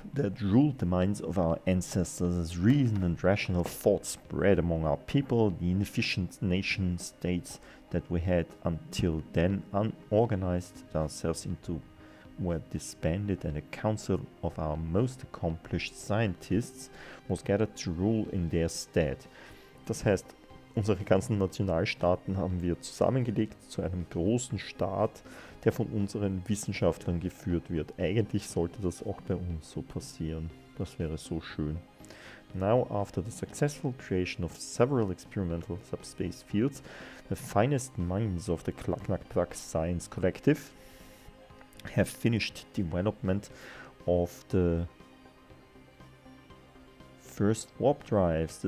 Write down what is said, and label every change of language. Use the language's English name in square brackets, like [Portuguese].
[English] That ruled the minds of our ancestors as reason and rational thought spread among our people, the inefficient nation states that we had until then unorganized ourselves into were disbanded and a council of our most accomplished scientists was gathered to rule in their stead. [German] Das heißt, unsere ganzen Nationalstaaten haben wir zusammengelegt zu einem großen Staat, der von unseren Wissenschaftlern geführt wird. Eigentlich sollte das auch bei uns so passieren. Das wäre so schön. [English] Now, after the successful creation of several experimental subspace fields, the finest minds of the Klacknackprak Science Collective have finished development of the first warp drives.